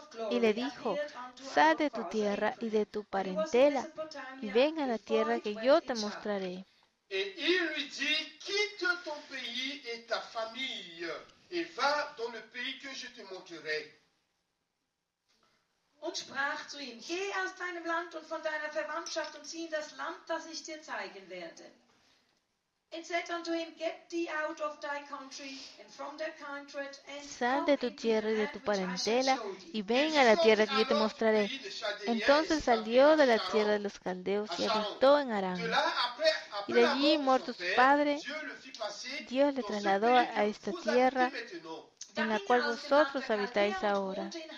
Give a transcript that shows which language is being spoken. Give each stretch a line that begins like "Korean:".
Spanish: Y le dijo, sal de tu tierra y de tu parentela y ven a la tierra que yo te mostraré.
French: Et il lui dit, quitte ton pays et ta famille et va dans le pays que je te montrerai.
German: Und sprach zu ihm, geh aus deinem Land und von deiner Verwandtschaft und zieh in das Land, das ich dir zeigen werde.
English: And said unto him, get thee out of thy country and from thy kindred and
Spanish: sal de tu tierra y de tu parentela y ven a la tierra que yo te mostraré. Entonces salió de la tierra de los caldeos y habitó en Harán. Y de allí, muerto su padre, Dios le trasladó a esta tierra en la cual vosotros habitáis ahora.